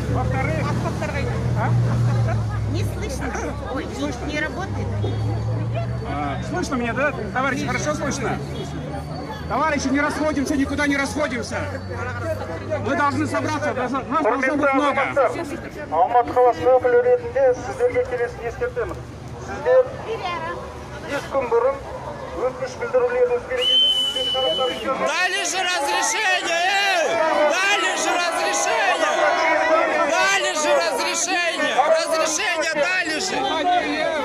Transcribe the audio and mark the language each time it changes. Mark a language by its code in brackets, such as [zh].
[ru] Во-вторых. Не слышно. Ой, не работает. Слышно меня, да, товарищи, хорошо слышно? Товарищи, не расходимся, никуда не расходимся. Мы должны собраться, нас должно быть много. [kk] Алматы қаласының өкілдерінде сіздерге келесі ескертеміз. Сіздер 5 күн бұрын өтініш білдірулеріңіз керек. [ru] Дали же разрешение, дали же разрешение, дали же разрешение, разрешение дали же.